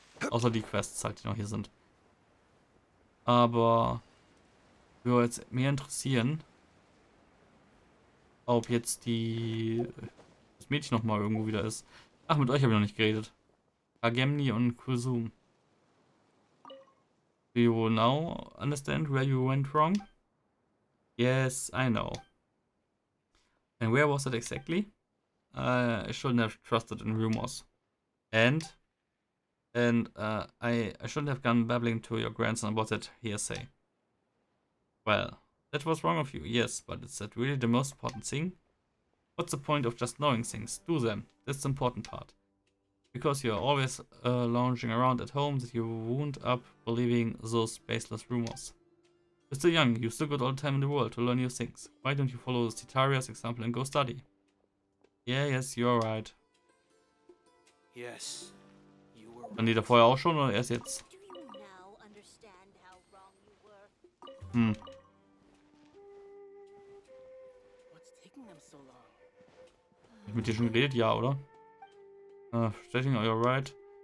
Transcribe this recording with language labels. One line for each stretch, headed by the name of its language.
German: Außer die Quests halt, die noch hier sind. Aber würde jetzt mehr interessieren, ob jetzt das Mädchen noch mal irgendwo wieder ist. Ach, mit euch habe ich noch nicht geredet. Agemni und Kuzum.
English: Do you now understand where you went wrong? Yes, I know. And where was it exactly? I shouldn't have trusted in rumors. I shouldn't have gone babbling to your grandson about that hearsay. Well, that was wrong of you, yes, but is that really the most important thing? What's the point of just knowing things? Do them. That's the important part. Because you're always lounging around at home that you wound up believing those baseless rumors. You're still young, you still got all the time in the world to learn new things. Why don't you follow Citaria's example and go study? Yes, you're right. Yes.
German: Waren die da vorher auch schon oder erst jetzt? Hab ich mit dir schon geredet? Ja, oder? Stechling,
English: are you alright?